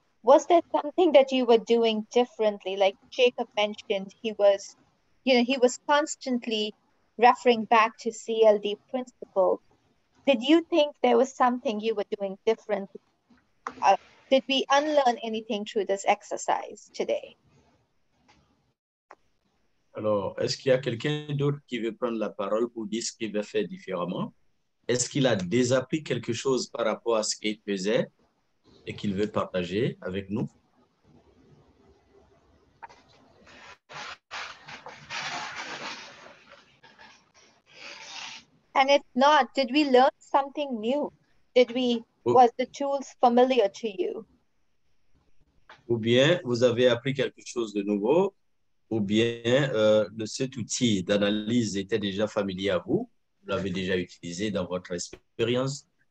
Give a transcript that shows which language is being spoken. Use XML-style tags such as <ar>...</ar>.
<en>Was there something that you were doing differently? Like Jacob mentioned, he was constantly referring back to CLD principles. Did you think there was something you were doing differently? Did we unlearn anything through this exercise today?</en> <fr>Alors, est-ce qu'il y a quelqu'un d'autre qui veut prendre la parole pour dire ce qu'il veut faire différemment? Est-ce qu'il a désappris quelque chose par rapport à ce qu'il faisait et qu'il veut partager avec nous?</fr> <en>And if not, did we learn something new? Was the tools familiar to you?</en> <fr>Ou bien vous avez appris quelque chose de nouveau, ou bien cet outil d'analyse était déjà familier à vous, vous l'avez déjà utilisé dans votre expérience?</fr>